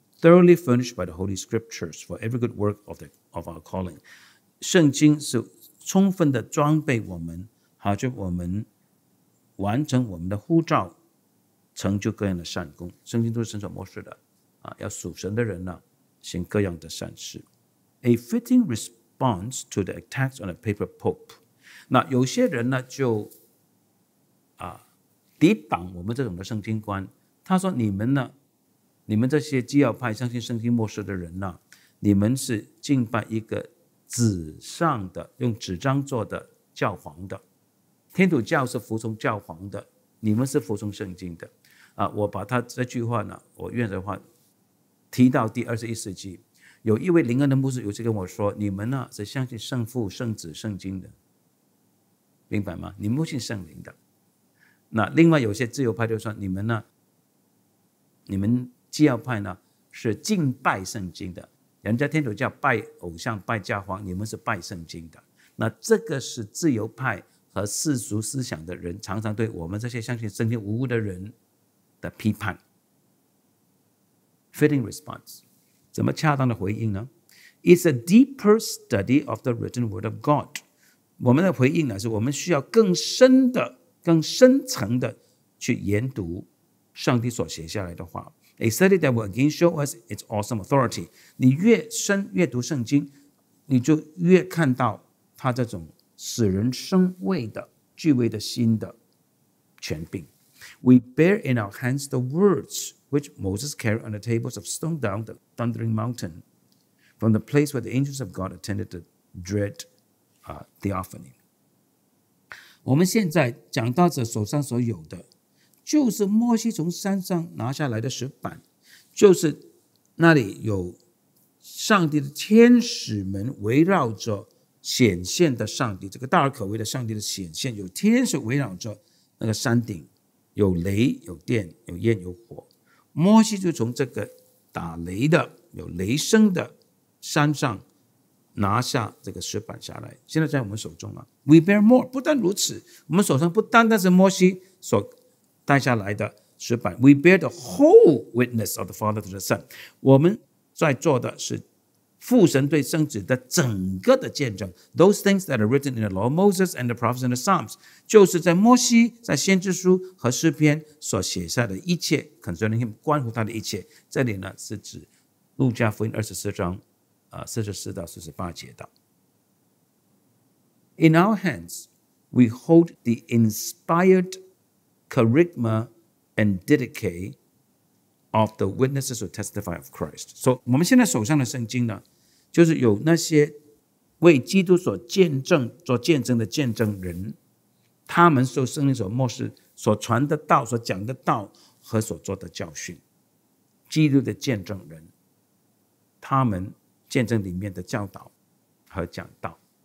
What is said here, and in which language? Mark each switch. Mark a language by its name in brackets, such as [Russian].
[English] thoroughly furnished by the Holy Scriptures for every good work of our calling. [Chinese] 圣经是充分的装备我们，好叫我们完成我们的呼召，成就各样的善功。圣经都是神所默示的，要属神的人呢，行各样的善事。 [English] A fitting response to the attacks on a paper pope. [Chinese] 那有些人呢就抵挡我们这种的圣经观，他说你们呢，你们这些基要派相信圣经默示的人呢，你们是敬拜一个纸上的，用纸张做的教皇的。天主教是服从教皇的，你们是服从圣经的。我把他这句话呢，我原则话提到第二十一世纪，有一位灵恩的牧师有次跟我说，你们呢是相信圣父圣子圣经的，明白吗？你们不信圣灵的。那另外有些自由派就说，你们呢，你们基要派呢是敬拜圣经的，人家天主教拜偶像拜教皇，你们是拜圣经的。那这个是自由派和世俗思想的人常常对我们这些相信圣经无误的人的批判。 [English] Fitting response， [Chinese] 怎么恰当的回应呢？ [English] It's a deeper study of the written word of God。 [Chinese] 我们的回应呢，是我们需要更深的更深层的去研读上帝所写下来的话。 [English] A study that will again show us its awesome authority。 [Chinese] 你越深阅读圣经，你就越看到他这种使人生畏的惧畏的心的权柄。 [English] We bear in our hands the words which Moses carried on the tables of stone down the thundering mountain from the place where the angels of God attended the dread theophany。 [Chinese] 我们现在讲到这手上所有的，就是摩西从山上拿下来的石板，就是那里有上帝的天使们围绕着显现的上帝，这个大而可畏的上帝的显现，有天使围绕着那个山顶，有雷有电有焰有火。摩西就从这个打雷的有雷声的山上拿下这个石板下来，现在在我们手中了。 [English] We bear more， [Chinese] 不但如此，我们手上不单单是摩西所带下来的石板。 [English] We bear the whole witness of the Father to the Son， [Chinese] 我们在做的是父神对圣子的整个的见证。 [English] Those things that are written in the law of Moses and the prophets and the Psalms， [Chinese] 就是在摩西在先知书和诗篇所写下的一切 [English] concerning him， [Chinese] 关乎他的一切。这里呢是指路加福音24章44到48节的。 [English] In our hands we hold the inspiredCharisma and didache of the witnesses who testify of Christ. [Chinese] So, 我们现在手上的圣经呢，就是有那些为基督所见证、做见证的见证人，他们受圣灵所默示、所传的道、所讲的道和所做的教训。基督的见证人，他们见证里面的教导和讲道。